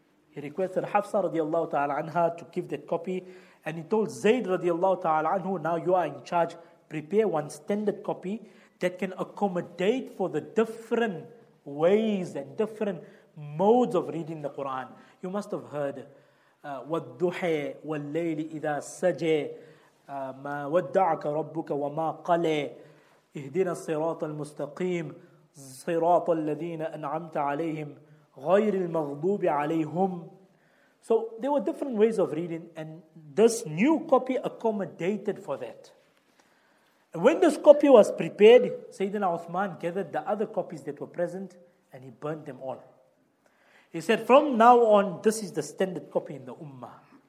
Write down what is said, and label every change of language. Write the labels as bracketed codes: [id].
[en] He requested Hafsa radiallahu ta'ala anha to give that copy. And he told Zayd radiallahu ta'ala anhu, now you are in charge, prepare one standard copy that can accommodate for the different ways and different modes of reading the Quran. You must have heard, [ar] وَالْدُّحَى وَاللَّيْلِ إِذَا سَجَى مَا وَدَّعَكَ رَبُّكَ وَمَا قَلَى اِهْدِنَا الصِّرَاطَ الْمُسْتَقِيمَ صِرَاطَ الَّذِينَ أَنْعَمْتَ عَلَيْهِمْ غَيْرِ الْمَغْضُوبِ عَلَيْهُمْ. [en] So there were different ways of reading, and this new copy accommodated for that. When this copy was prepared, Sayyidina Uthman gathered the other copies that were present and he burned them all. He said, from now on, this is the standard copy in the Ummah.